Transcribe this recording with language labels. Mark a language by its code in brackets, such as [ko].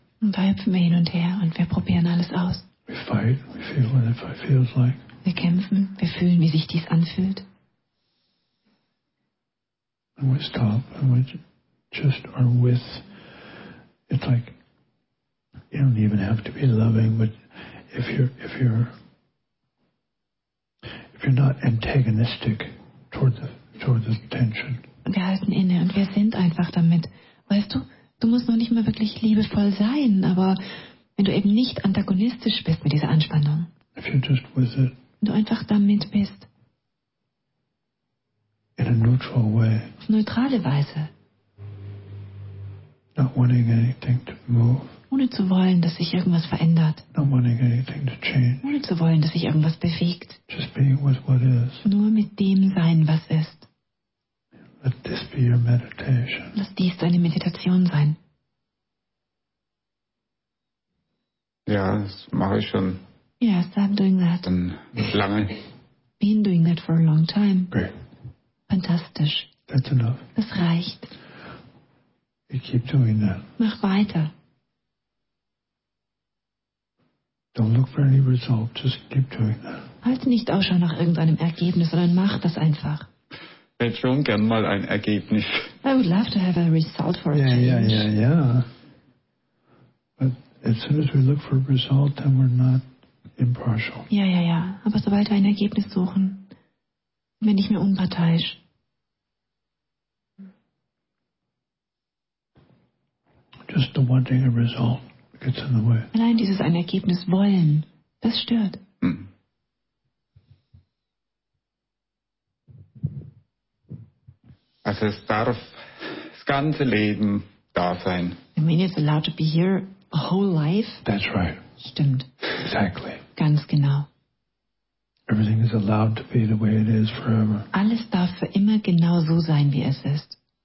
[de] Und da hüpfen wir hin und her und wir probieren alles aus. [en] We fight, we feel what it feels like. [de] Wir kämpfen, wir fühlen, wie sich dies anfühlt. [en] And we stop and we just are with. It's like you don't even have to be loving, but if you're not antagonistic toward the tension. [de] Wir halten inne und wir sind einfach damit. Weißt du, du musst noch nicht mal wirklich liebevoll sein, aber wenn du eben nicht antagonistisch bist mit dieser Anspannung, [en] if you're just with it, [de] wenn du einfach damit bist, [en] in a neutral way, [de] auf neutrale Weise, [en] not wanting anything to move, [de] ohne zu wollen, dass sich irgendwas verändert, [en] not wanting anything to change, [de] ohne zu wollen, dass sich irgendwas bewegt, [en] just being with what is, [de] nur mit dem sein, was ist. [en] Let this be your meditation. [de] Lass dies deine Meditation sein. Ja, das mache ich schon. [en] Yes, I'm doing that. [de] Dann lange. [en] Been doing that for a long time. Great. [de] Fantastisch. [en] That's enough. [de] Das reicht. [en] You keep doing that. [de] Mach weiter. [en] Don't look for any result. Just keep doing that. [de] Halte nicht Ausschau nach irgendeinem Ergebnis, sondern mach das einfach. Ich hätte schon gern mal ein Ergebnis. [en] I would love to have a result for a yeah, change. Yeah. But as soon as we look for a result, then we're not impartial. Yeah. [de] Aber sobald wir ein Ergebnis suchen, bin ich nicht mehr unparteiisch. [en] Just the wanting a result gets in the way. [de] Allein dieses ein Ergebnis wollen, das stört. Also es darf das ganze Leben da sein. [en] I mean it's allowed to be here a whole life? That's right. [de] Stimmt. [en] Exactly. [de] Ganz genau. [en] Everything is allowed to be the way it is forever. [de] Alles darf für immer genau so sein, wie es ist.